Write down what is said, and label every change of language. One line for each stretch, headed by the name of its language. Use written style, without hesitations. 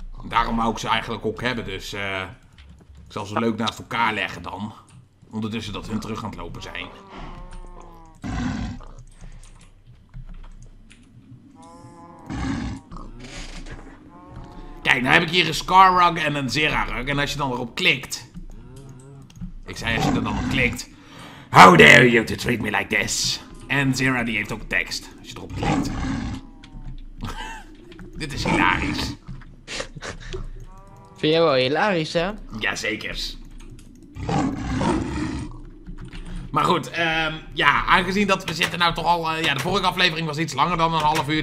Dutch: Daarom wou ik ze eigenlijk ook hebben, dus... ik zal ze leuk naast elkaar leggen dan. Ondertussen dat hun terug aan het lopen zijn. Kijk, nou heb ik hier een Scar Rug en een Zera Rug. En als je dan erop klikt... Ik zei, als je er dan op klikt...
English: How dare you to treat me like this?
Dutch: En Zera die heeft ook tekst. Als je erop klikt... Dit is hilarisch. Vind jij wel hilarisch, hè? Jazeker. Maar goed, aangezien dat we zitten nou toch al... de vorige aflevering was iets langer dan een half uur.